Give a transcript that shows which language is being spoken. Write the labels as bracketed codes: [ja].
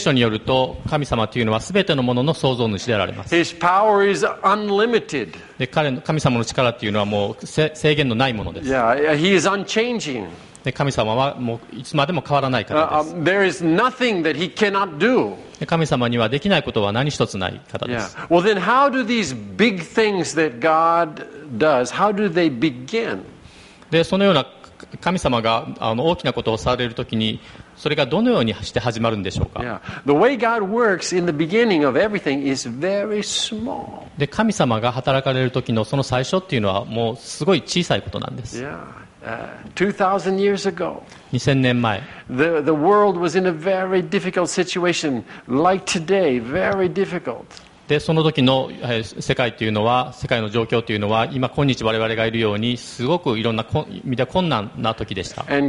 [ja] 書によると神様というのはすべてのものの創造主であられます。 [en] His power is unlimited. [ja] で神様の力というのはもう制限のないものです。 [en] yeah, he is unchanging. [ja] で神様はもういつまでも変わらない方です。 [en] There is nothing that he cannot do. [ja] 神様にはできないことは何一つない方です。 Yeah. [en] Well, then how do these big things that God does, how do they begin? [ja] で、そのような神様が大きなことをされるときに、それがどのようにして始まるんでしょうか。 [en] The way God works in the beginning of everything is very small. [ja] で、神様が働かれるときのその最初っていうのはもうすごい小さいことなんです。 [en] 2000 years ago. [ja] 2000年前。 [en] The world was in a very difficult situation, like today, very difficult. [ja] でその時の世界というのは、世界の状況というのは、今今日我々がいるようにすごくいろんな意味で困難な時でした。